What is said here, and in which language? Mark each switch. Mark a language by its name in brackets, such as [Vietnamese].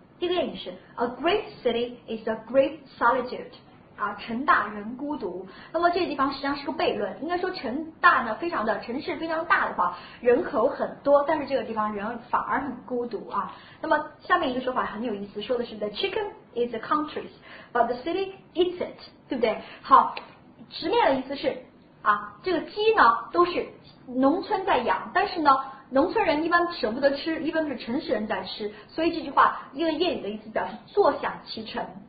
[Chinese] 第一个谚语是 [English] a great city is a great solitude， [Chinese] 啊，城大人孤独。那么这个地方实际上是个悖论，应该说城大呢非常的城市非常大的话，人口很多，但是这个地方人反而很孤独啊。那么下面一个说法很有意思，说的是 the chicken。 [English] It's a country, but the city eats it, [Chinese] 对不对？好，直面的意思是啊，这个鸡呢都是农村在养，但是呢，农村人一般舍不得吃，一般是城市人在吃，所以这句话一个谚语的意思表示坐享其成。